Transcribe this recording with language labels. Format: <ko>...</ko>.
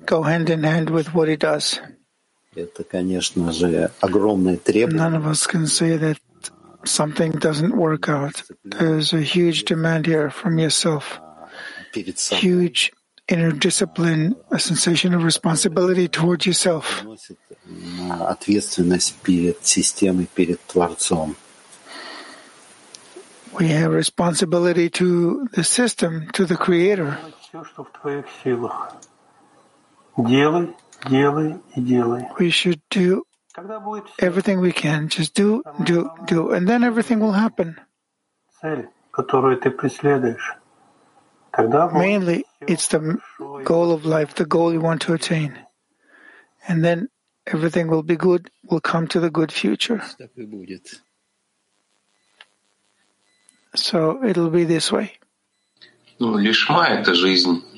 <en>Go hand in hand with what he does.</en> <ru>Это, конечно же, огромное требование.</ru> <en>None of us can say that something doesn't work out. There's a huge demand here from yourself. Huge inner discipline, a sensation of responsibility towards yourself.</en> <ru>Ответственность перед системой, перед Творцом.</ru> <en>We have responsibility to the system, to the Creator.</en> <ru>Все, что в твоих силах. Делай. Делай.</ru> <en>We should do everything we can. Just do, do, do, and then everything will happen.</en> <ru>Цель, которую ты преследуешь. Тогда</ru> <en>mainly it's the goal of life, the goal you want to attain. And then everything will be good, will come to the good future. So it'll be this way.</en> <ru>Ну, лишма это жизнь.</ru>